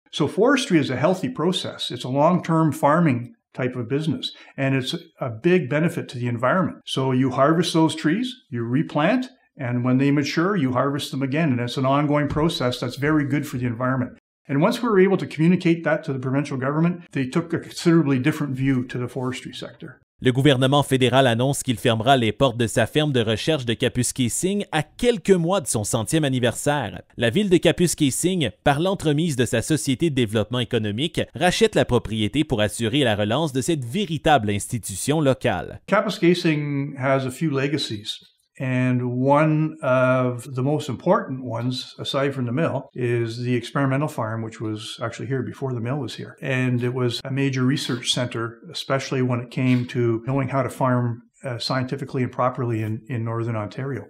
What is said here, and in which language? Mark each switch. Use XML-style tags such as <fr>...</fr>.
<en>So forestry is a healthy process. It's a long-term farming type of business, and it's a big benefit to the environment. So you harvest those trees, you replant, and when they mature, you harvest them again. And it's an ongoing process that's very good for the environment. And once we were able to communicate that to the provincial government, they took a considerably different view to the forestry sector.</en> <fr>Le gouvernement fédéral annonce qu'il fermera les portes de sa ferme de recherche de Kapuskasing à quelques mois de son 100e anniversaire. La ville de Kapuskasing, par l'entremise de sa société de développement économique, rachète la propriété pour assurer la relance de cette véritable institution locale.</fr> <en>Kapuskasing has a few legacies. And one of the most important ones, aside from the mill, is the experimental farm, which was actually here before the mill was here. And it was a major research center, especially when it came to knowing how to farm scientifically and properly in Northern Ontario.</en>